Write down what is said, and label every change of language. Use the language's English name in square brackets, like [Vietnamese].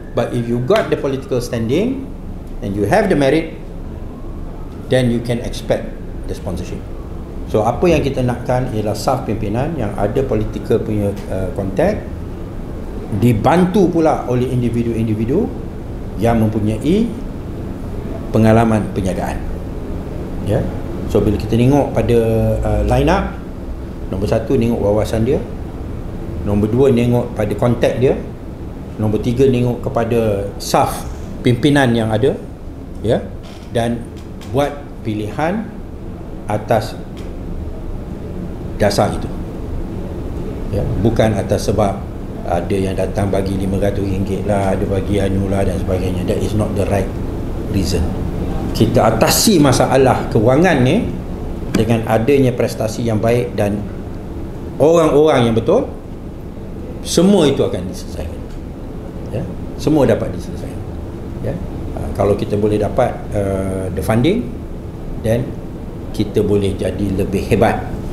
[English] But if you got the political standing and you have the merit, then you can expect the sponsorship. [Malay] So apa yang kita nakkan ialah staff pimpinan yang ada political punya contact, dibantu pula oleh individu-individu yang mempunyai pengalaman peniagaan. Ya. Yeah. So bila kita tengok pada line up, nombor satu tengok wawasan dia, nombor dua tengok pada kontak dia, nombor tiga tengok kepada staff pimpinan yang ada, ya, yeah, dan buat pilihan atas dasar itu. Ya, yeah, bukan atas sebab ada yang datang bagi RM500 lah, ada bagi anulah dan sebagainya. [English] That is not the right reason. [Malay] Kita atasi masalah kewangan ni dengan adanya prestasi yang baik dan orang-orang yang betul, semua itu akan diselesaikan. Ya, semua dapat diselesaikan. Ya, kalau kita boleh dapat [English] the funding, then [Malay] kita boleh jadi lebih hebat.